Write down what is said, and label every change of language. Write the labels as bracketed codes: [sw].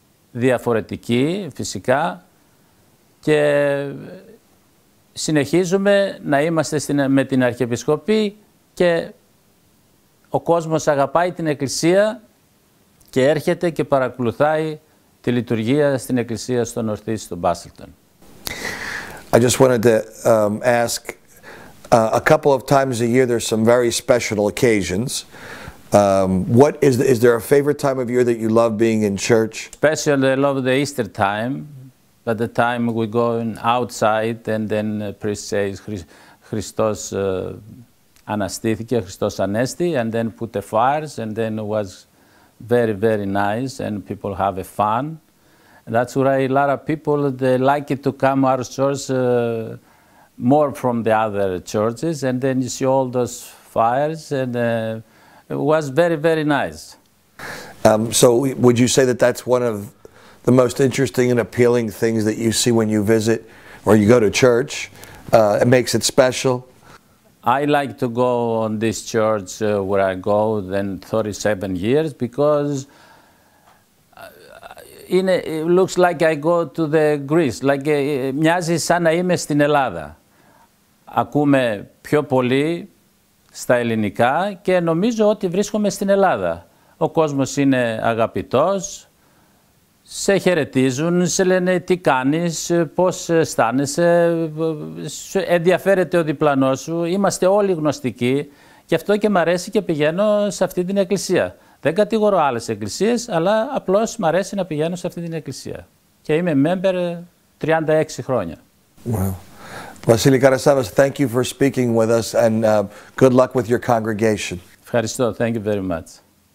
[el] διαφορετικοί φυσικά, και συνεχίζουμε να είμαστε με την Αρχιεπισκοπή και ο κόσμος αγαπάει την Εκκλησία και έρχεται και παρακολουθάει τη λειτουργία στην Εκκλησία στο Νορθή, στο Μπάσελτον. [en] I just wanted to ask, a couple of times a year there's some very special occasions. What is there a favorite time of year that you love being in church? Especially I love the Easter time, but the time we go outside and then priest says Christos Anastithike, Christos Anesti, and then put the fires, and then it was very, very nice, and people have a fun. And that's why a lot of people, they like it to come our church more from the other churches, and then you see all those fires, and it was very, very nice. So would you say that that's one of the most interesting and appealing things that you see when you visit or you go to church? It makes it special? I like to go on this church where I go then 37 years because it looks like I go to the Greece. [el] Like, μοιάζει σαν να είμαι στην Ελλάδα. Ακούμε πιο πολύ στα ελληνικά και νομίζω ότι βρίσκομαι στην Ελλάδα. Ο κόσμος είναι αγαπητός, σε χαιρετίζουν, σε λένε τι κάνεις, πώς αισθάνεσαι, ενδιαφέρεται ο διπλανός σου, είμαστε όλοι γνωστικοί και αυτό και μ' αρέσει και πηγαίνω σε αυτή την εκκλησία. Δεν κατηγορώ άλλες εκκλησίες, αλλά απλώς μ' αρέσει να πηγαίνω σε αυτή την εκκλησία. Και είμαι member 36 χρόνια. [en] Wow. Βασίλη Καρασάβας, thank you for speaking with us and good luck with your congregation. [el] Ευχαριστώ, [en] thank you very much.